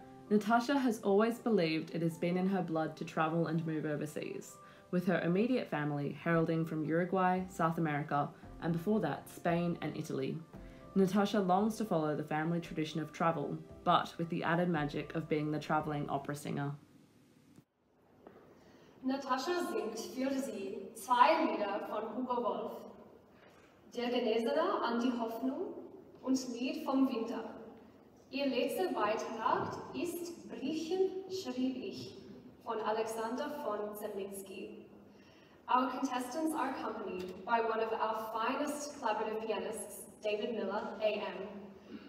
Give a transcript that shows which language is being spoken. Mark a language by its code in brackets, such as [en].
[en] Natasha has always believed it has been in her blood to travel and move overseas, with her immediate family heralding from Uruguay, South America, and before that, Spain and Italy. Natasha longs to follow the family tradition of travel, but with the added magic of being the traveling opera singer. [de] Natasha singt für sie zwei Lieder von Hugo Wolf, Der Genesene an die Hoffnung und Lied vom Winter. Ihr letzter Beitrag ist Briechen schrieb ich von Alexander von Zemlinski. [en] Our contestants are accompanied by one of our finest collaborative pianists, David Miller, AM.